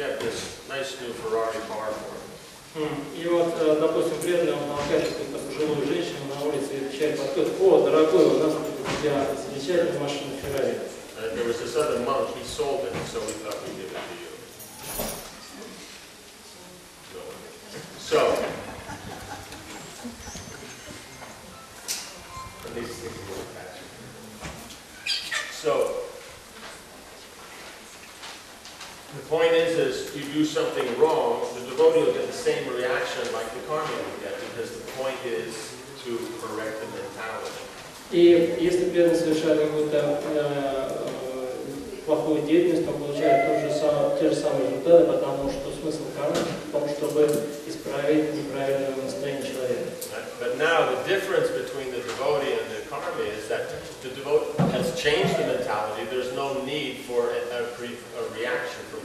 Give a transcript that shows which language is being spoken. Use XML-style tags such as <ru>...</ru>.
<en>Hey, we have this nice new Ferrari car for him.</en> <ru>И вот, допустим, преданный он обращается к какой-то пожилой женщине на улице и отвечает: «О, дорогой, у нас тут замечательная машина Ferrari».</ru> <en>There was this other monk. He sold it, so we thought we'd give it to you. So, at least think a little faster. So. The point is you do something wrong, the devotee will get the same reaction like the karma will get, because the point is to correct the mentality.</en> <ru>И если преданный совершает какую-то плохую деятельность, то получает те же самые результаты, потому что смысл кармы в том, чтобы исправить неправильное настроение человека.</ru> <en>But now the difference between the devotee and the karma is that the devotee has changed the mentality, there's no need for a reaction.</en>